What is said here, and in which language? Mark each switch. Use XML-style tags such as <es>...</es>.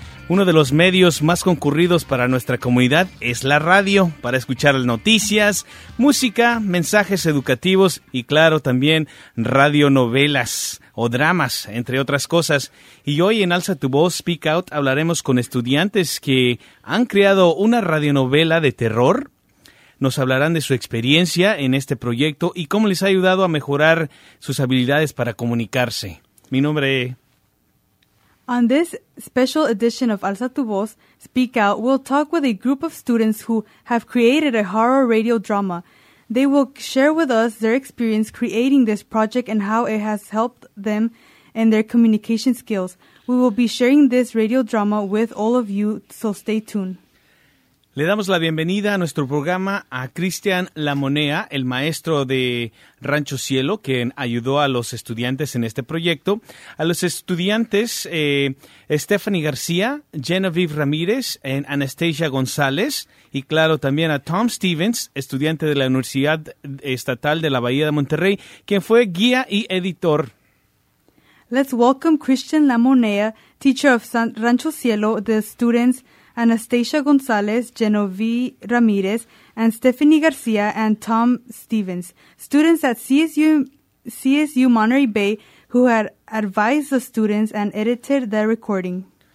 <es>Uno de los medios más concurridos para nuestra comunidad es la radio, para escuchar noticias, música, mensajes educativos y claro también radionovelas o dramas, entre otras cosas. Y hoy en Alza tu Voz, Speak Out, hablaremos con estudiantes que han creado una radionovela de terror. Nos hablarán de su experiencia en este proyecto y cómo les ha ayudado a mejorar sus habilidades para comunicarse. Mi nombre es...</es> <en>On this special edition of Alza tu Voz, Speak Out, we'll talk with a group of students who have created a horror radio drama. They will share with us their experience creating this project and how it has helped them and their communication skills. We will be sharing this radio drama with all of you, so stay tuned.</en> <es>Le damos la bienvenida a nuestro programa a Cristian Lamonea, el maestro de Rancho Cielo, quien ayudó a los estudiantes en este proyecto. A los estudiantes, Stephanie García, Genevieve Ramírez, Anastasia González y claro también a Tom Stevens, estudiante de la Universidad Estatal de la Bahía de Monterrey, quien fue guía y editor.</es> <en>Let's welcome Cristian Lamonea, teacher of Rancho Cielo, the students Anastasia González, Genevieve Ramírez, and Stephanie García, and Tom Stevens, students at CSU Monterey Bay, who had advised the students and edited their recording.</en>